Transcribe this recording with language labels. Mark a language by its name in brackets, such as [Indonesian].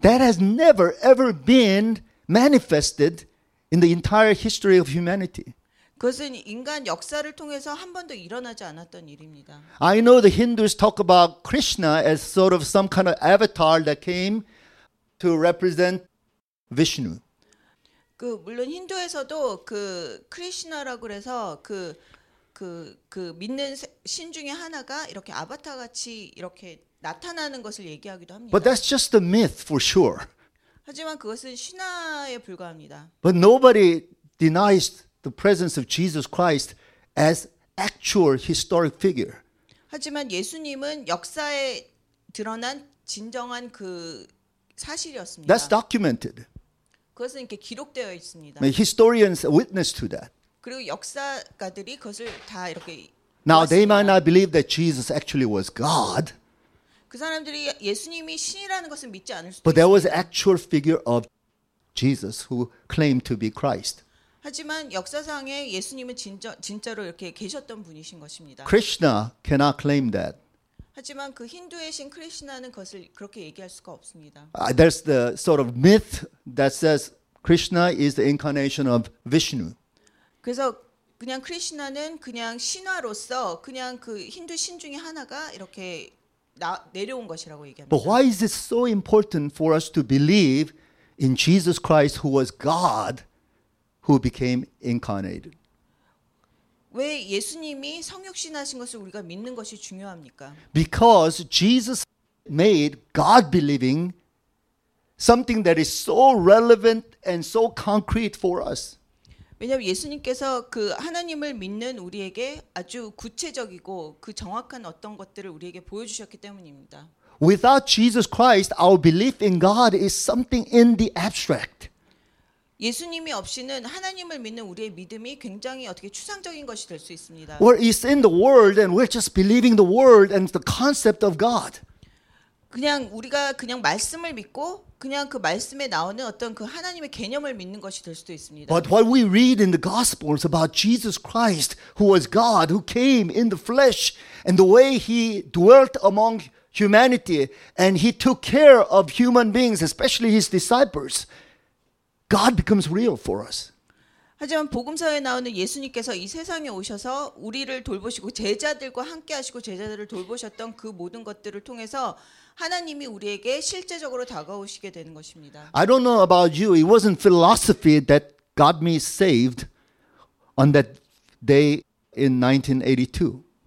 [English] That has never ever been manifested in the entire history of humanity. [Korean] 그것은 인간 역사를 통해서 한 번도 일어나지 않았던 일입니다. [English] I know the Hindus talk about Krishna as sort of some kind of avatar that came to represent Vishnu. [Korean] 그 물론 힌두에서도 그 크리슈나라고 그래서 그 믿는 신 중에 하나가 이렇게 아바타 같이 이렇게 나타나는 것을 얘기하기도 합니다. [English] But that's just a myth for sure. [Korean] 하지만 그것은 신화에 불과합니다. [English] But nobody denies the presence of Jesus Christ as actual historic figure. [Korean] 하지만 예수님은 역사에 드러난 진정한 그 사실이었습니다. [English] That's documented. [Korean] 그것은 이렇게 기록되어 있습니다. [English] The historians witness to that. [Korean] 그리고 역사가들이 그것을 다 이렇게 [English] Now [Korean] 보았습니다. [English] They might not believe that Jesus actually was God. [Korean] 그 사람들이 예수님이 신이라는 것을 믿지 않을 수도 [English] But there was actual figure of Jesus who claimed to be Christ. [Korean] 하지만 역사상에 예수님은 진짜로 이렇게 계셨던 분이신 것입니다. [English] Krishna cannot claim that. [Korean] 하지만 그 힌두의 신 크리슈나는 그것을 그렇게 얘기할 수가 없습니다. [English] There's the sort of myth that says Krishna is the incarnation of Vishnu. [Korean] 그래서 그냥 크리슈나는 그냥 신화로서 그냥 그 힌두 신 중에 하나가 이렇게 내려온 것이라고 얘기합니다. [English] But why is it so important for us to believe in Jesus Christ who was God who became incarnated? [Korean] 왜 예수님이 성육신하신 것을 우리가 믿는 것이 중요합니까? [English] Because Jesus made God believing something that is so relevant and so concrete for us. [Korean] 왜냐하면 예수님께서 그 하나님을 믿는 우리에게 아주 구체적이고 그 정확한 어떤 것들을 우리에게 보여주셨기 때문입니다. [English] Without Jesus Christ, our belief in God is something in the abstract. [Korean] 예수님이 없이는 하나님을 믿는 우리의 믿음이 굉장히 어떻게 추상적인 것이 될 수 있습니다. [English] Well, it's in the world and we're just believing the world and the concept of God. [Korean] 그냥 우리가 그냥 말씀을 믿고 그냥 그 말씀에 나오는 어떤 그 하나님의 개념을 믿는 것이 될 수도 있습니다. [English] But what we read in the Gospels about Jesus Christ who was God who came in the flesh and the way he dwelt among humanity and he took care of human beings especially his disciples God becomes real for us. [Korean] 하지만 복음서에 나오는 예수님께서 이 세상에 오셔서 우리를 돌보시고 제자들과 함께 하시고 제자들을 돌보셨던 그 모든 것들을 통해서 하나님이 우리에게 실제적으로 다가오시게 되는 것입니다. [English] I don't know about you. It wasn't philosophy that got me saved on that day in 1982.